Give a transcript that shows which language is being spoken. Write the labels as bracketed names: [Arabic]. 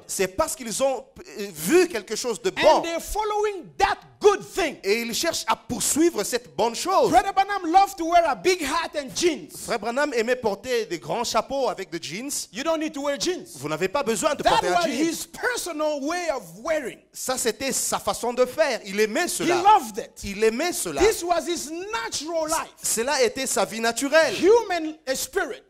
[French] c'est parce qu'ils ont vu quelque chose de bon. [English] And they're following that good thing. [French] Et ils cherchent à poursuivre cette bonne chose. [English] Brother Branham loved to wear a big hat and jeans. [French] Frère Branham aimait porter des grands chapeaux avec des jeans. [English] You don't need to wear jeans. [French] Vous n'avez pas besoin de [English] that [French] porter [English] was [French] un jean. [English] His personal way of wearing. [French] Ça, c'était sa façon de faire. Il aimait cela. [English] He loved it. [French] Il aimait cela. [English] This was his natural life. [French] Cela était sa vie naturelle. [English] Human spirit.